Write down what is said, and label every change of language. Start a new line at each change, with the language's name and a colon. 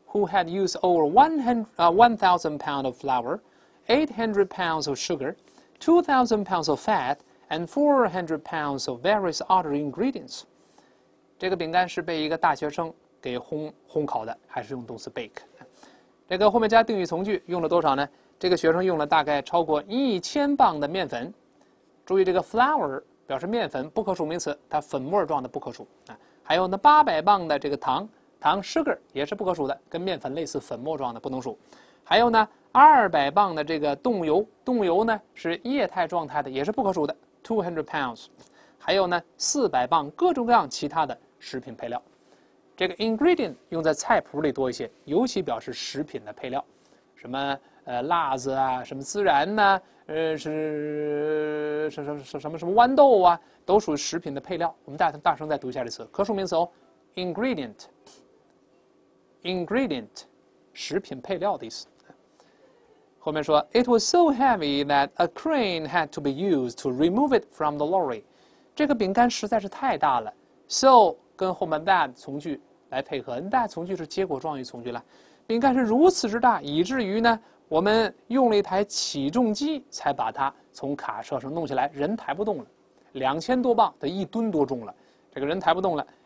English: who had used over 1,000 pounds of flour, 800 pounds of sugar, 2,000 pounds of fat, and 400 pounds of various other ingredients.
Chinese: 这个饼干是被一个大学生给 烘烤的，还是用动词 bake。这个后面加定语从句，用了多少呢？这个学生用了大概超过1000磅的面粉。注意这个 flour 表示面粉，不可数名词，它粉末状的不可数。还有那800磅的这个糖，糖 sugar 也是不可数的，跟面粉类似，粉末状的不能数。还有呢200磅的这个动物油，动物油呢是液态状态的，也是不可数的 ,200 pounds。还有呢400磅各种各样其他的食品配料。这个 ingredient 用在菜谱里多一些，尤其表示食品的配料，什么辣子啊，什么孜然呢、啊、什么豌豆啊，都属于食品的配料。我们大声再读一下这词，可数名词哦， ingredient 食品配料的意思。后面说
English: it was so heavy that a crane had to be used to remove it from the lorry，
Chinese: 这个饼干实在是太大了。 so 跟后面 that 从句来配合， that 从句是结果状语从句了，饼干是如此之大，以至于呢我们用了一台起重机才把它从卡车上弄起来，人抬不动了，2000多磅，得一吨多重了，这个人抬不动了。